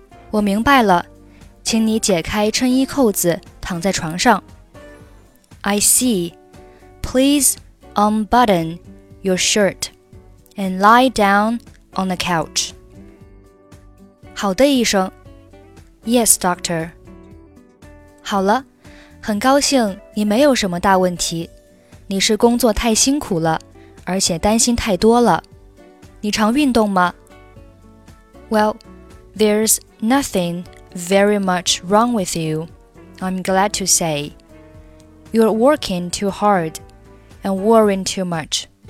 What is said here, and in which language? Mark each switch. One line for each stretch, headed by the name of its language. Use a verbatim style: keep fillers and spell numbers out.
Chinese: 我明白了，请你解开衬衣扣子，躺在床上。
English: I see. Please unbutton your shirt and lie down on the couch.
Chinese: 好的，医生。
English: Yes, doctor.
Chinese: 好了，很高兴你没有什么大问题。你是工作太辛苦了，而且担心太多了。你常运动吗？
English: Well, there's nothing very much wrong with you, I'm glad to say. You're working too hard and worrying too much.